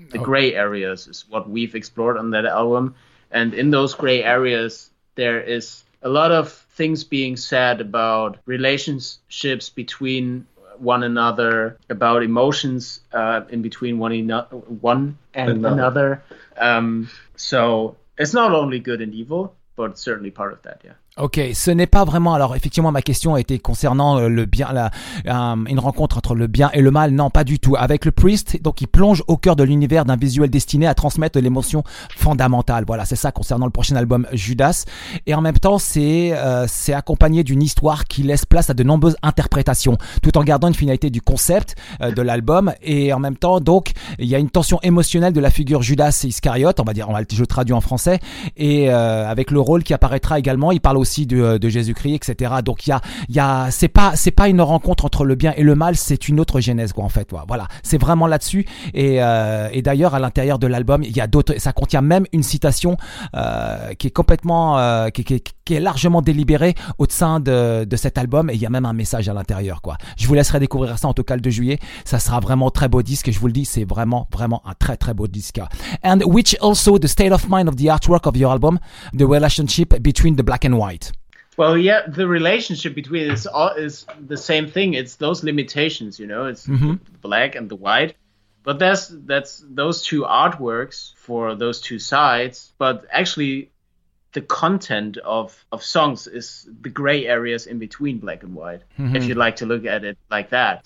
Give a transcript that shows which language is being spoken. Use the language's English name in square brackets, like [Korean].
[English] The gray areas is what we've explored on that album, and in those gray areas there is a lot of things being said about relationships between one another, about emotions in between one another. So it's not only good and evil, but certainly part of that, yeah. [French] Ok, ce n'est pas vraiment. Alors effectivement, ma question a été concernant le bien, une rencontre entre le bien et le mal. Non, pas du tout. Avec le priest, donc il plonge au cœur de l'univers d'un visuel destiné à transmettre l'émotion fondamentale. Voilà, c'est ça concernant le prochain album Judas. Et en même temps, c'est accompagné d'une histoire qui laisse place à de nombreuses interprétations, tout en gardant une finalité du concept de l'album. Et en même temps, donc il y a une tension émotionnelle de la figure Judas Iscariote, je le traduis en français, et avec le rôle qui apparaîtra également. Il parle aussi de Jésus-Christ, etc. Donc il y a c'est pas une rencontre entre le bien et le mal, c'est une autre genèse quoi, en fait quoi. Voilà, c'est vraiment là-dessus. Et d'ailleurs à l'intérieur de l'album il y a d'autres, ça contient même une citation qui est largement délibérée au sein de cet album, et il y a même un message à l'intérieur quoi. Je vous laisserai découvrir ça en tout cas le 2 juillet. Ça sera vraiment très beau disque, je vous le dis, c'est vraiment vraiment un très très beau disque. [English] And which also the state of mind of the artwork of your album, the relationship between the black and white. Well, yeah, the relationship between is the same thing. It's those limitations, you know. It's the black and the white. But that's those two artworks for those two sides, but actually the content of songs is the gray areas in between black and white, if you'd like to look at it like that.